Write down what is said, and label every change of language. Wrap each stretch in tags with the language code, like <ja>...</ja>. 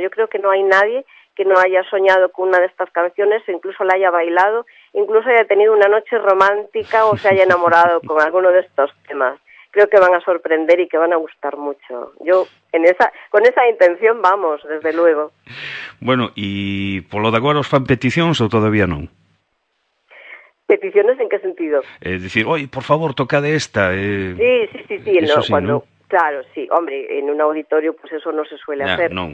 <es>Yo creo que no hay nadie que no haya soñado con una de estas canciones, incluso la haya bailado, incluso haya tenido una noche romántica o se haya enamorado con alguno de estos temas. Creo que van a sorprender y que van a gustar mucho. Yo con esa intención vamos, desde luego.</es> <gl>Bueno, ¿y por lo de agora os fan peticións o todavía non?</gl> <es>¿Peticiones en qué sentido? Decir, oye, por favor, toca de esta. Sí. Claro, sí, hombre, en un auditorio pues eso no se suele hacer.</es>